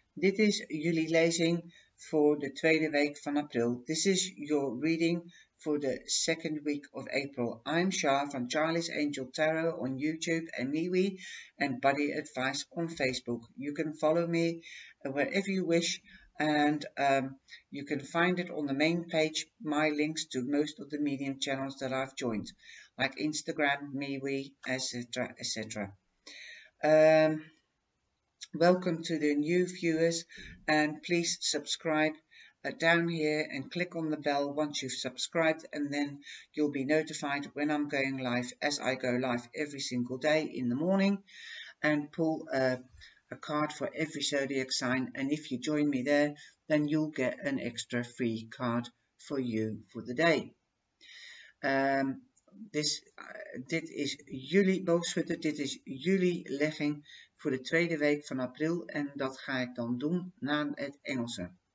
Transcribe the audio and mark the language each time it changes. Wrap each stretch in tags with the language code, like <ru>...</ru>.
<nl>Dit is jullie lezing voor de tweede week van april.</nl> <en>This is your reading for the second week of April. I'm Shah from Charlie's Angel Tarot on YouTube and MeWe and Buddy Advice on Facebook. You can follow me wherever you wish and you can find it on the main page, my links to most of the medium channels that I've joined, like Instagram, MeWe, etc., etc. Welcome to the new viewers and please subscribe down here and click on the bell once you've subscribed and then you'll be notified when I'm going live as I go live every single day in the morning and pull a card for every zodiac sign and if you join me there then you'll get an extra free card for you for the day.</en> <nl>Dit is jullie boogschutter, dit is jullie legging voor de tweede week van april en dat ga ik dan doen</nl> <en>na het Engelse.</en>